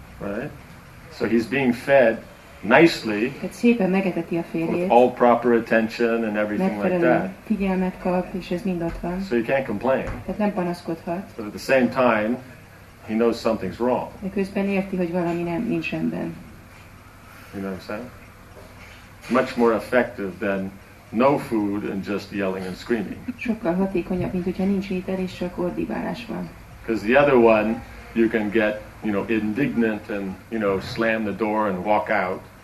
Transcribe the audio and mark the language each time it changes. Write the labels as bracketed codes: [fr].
[en] Right. So he's being fed nicely. [hu] Tehát szépen megeteti a férjét. [en] With all proper attention and everything like that. [hu] Megfelelő figyelmet kap, és ez mind ott van. [en] So you can't complain. [hu] Tehát nem panaszkodhat. [en] But at the same time, he knows something's wrong. [hu] De közben érti, hogy valami nem nincs rendben. [en] You know what I'm saying? Much more effective than no food and just yelling and screaming. [hu] Sokkal hatékonyabb, mint hogyha nincs étel és csak ordibálás van. [en] Because the other one, you can get, you know, indignant and, you know, slam the door and walk out.